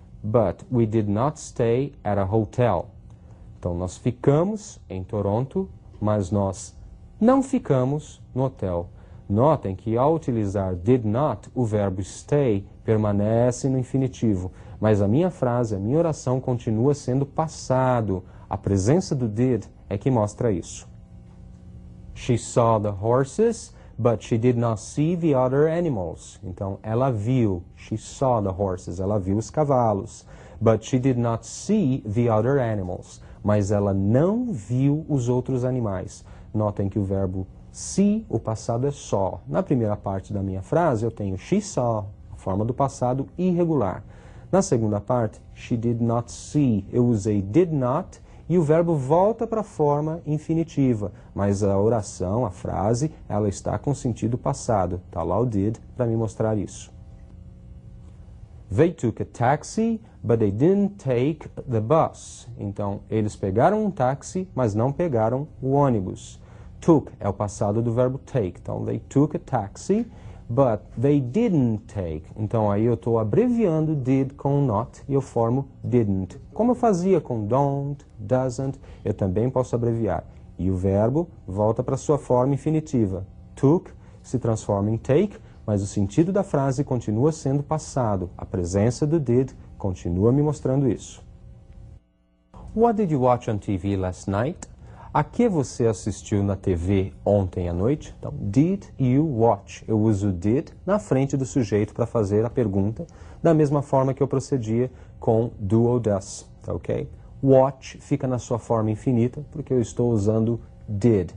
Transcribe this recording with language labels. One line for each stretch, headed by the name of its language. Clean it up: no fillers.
English: But we did not stay at a hotel.
Portuguese: Então nós ficamos em Toronto, mas nós não ficamos no hotel. Notem que ao utilizar did not, o verbo stay permanece no infinitivo. Mas a minha frase, a minha oração continua sendo passado. A presença do did é que mostra isso.
English: She saw the horses, but she did not see the other animals.
Portuguese: Então ela viu.
English: She saw the horses.
Portuguese: Ela viu os cavalos.
English: But she did not see the other animals.
Portuguese: Mas ela não viu os outros animais. Notem que o verbo see, o passado é saw. Na primeira parte da minha frase, eu tenho she saw, a forma do passado irregular. Na segunda parte,
English: she did not see.
Portuguese: Eu usei did not e o verbo volta para a forma infinitiva. Mas a oração, a frase, ela está com sentido passado. Está lá o did para me mostrar isso.
English: They took a taxi, but they didn't take the bus.
Portuguese: Então, eles pegaram um táxi, mas não pegaram o ônibus. Took é o passado do verbo take.
English: Então, they took a taxi, but they didn't take.
Portuguese: Então, aí eu estou abreviando did com not e eu formo didn't. Como eu fazia com don't, doesn't, eu também posso abreviar. E o verbo volta para sua forma infinitiva. Took se transforma em take, mas o sentido da frase continua sendo passado. A presença do did continua me mostrando isso.
English: What did you watch on TV last night?
Portuguese: A que você assistiu na TV ontem à noite? Então, did you watch? Eu uso did na frente do sujeito para fazer a pergunta, da mesma forma que eu procedia com do ou does, tá ok? Watch fica na sua forma infinita, porque eu estou usando did.